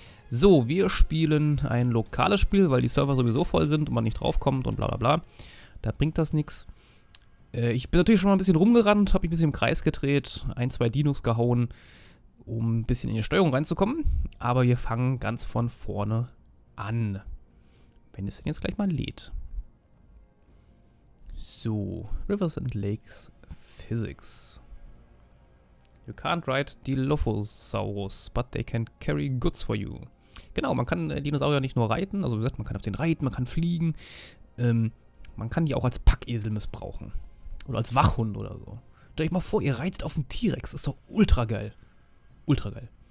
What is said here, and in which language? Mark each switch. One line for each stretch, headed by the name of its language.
German: So, wir spielen ein lokales Spiel, weil die Server sowieso voll sind und man nicht draufkommt und bla bla bla. Da bringt das nichts. Ich bin natürlich schon mal ein bisschen rumgerannt, habe mich ein bisschen im Kreis gedreht, ein, zwei Dinos gehauen, um ein bisschen in die Steuerung reinzukommen. Aber wir fangen ganz von vorne an. Wenn es denn jetzt gleich mal lädt.
English: So, Rivers and Lakes Physics. You can't ride Dilophosaurus, but they can carry goods for you.
German: Genau, man kann Dinosaurier nicht nur reiten, also wie gesagt, man kann auf den reiten, man kann fliegen. Man kann die auch als Packesel missbrauchen. Oder als Wachhund oder so. Stell euch mal vor, ihr reitet auf einen T-Rex, ist doch ultra geil. Ultra geil.